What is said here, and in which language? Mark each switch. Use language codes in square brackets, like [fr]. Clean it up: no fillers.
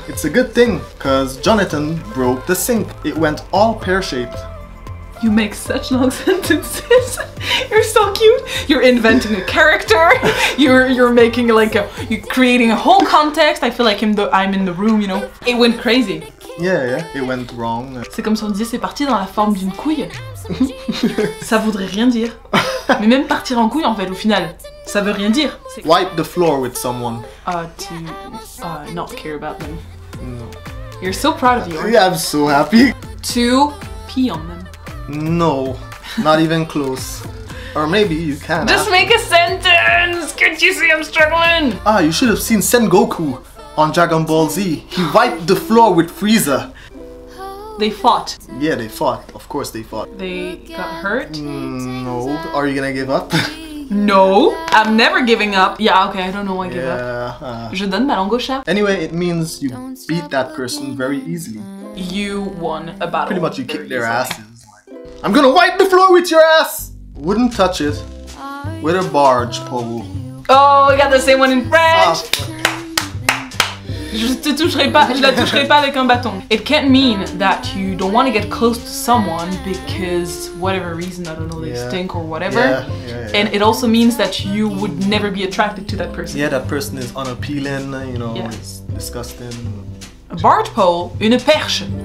[en] It's a good thing, because Jonathan broke the sink. It went all pear-shaped. You make such long sentences. You're so cute. You're inventing a character. You're making like a, you're creating a whole context. I feel like I'm in the room, you know. It went crazy. Yeah, it went wrong. [fr] C'est comme si on disait c'est parti dans la forme d'une couille. Ça voudrait rien dire. Mais même partir en couille en fait au final, ça veut rien dire. [en] Wipe the floor with someone. To not care about them. No. You're so proud of you. Yeah, I'm so happy. To pee on them. No, not even close. Or maybe you can. Just make a sentence! Can't you see I'm struggling? Ah, you should have seen Sengoku on Dragon Ball Z. He wiped the floor with Frieza. They fought. Yeah, they fought. Of course they fought. They got hurt? No. Are you gonna give up? No, I'm never giving up. Yeah, okay, I don't know why I give up. [fr] Je donne ma langue au chat. [en] Anyway, it means you beat that person very easily. You won a battle. Pretty much you kicked their asses. I'm gonna wipe the floor with your ass! Wouldn't touch it with a barge pole. Oh, we got the same one in French! Ah. [fr] Je te toucherai pas, je la toucherai pas avec un bâton. [en] It can't mean that you don't want to get close to someone because whatever reason, I don't know, they stink or whatever. Yeah. And it also means that you would never be attracted to that person. Yeah, that person is unappealing, you know, it's disgusting. A barge pole? [fr] Une perche?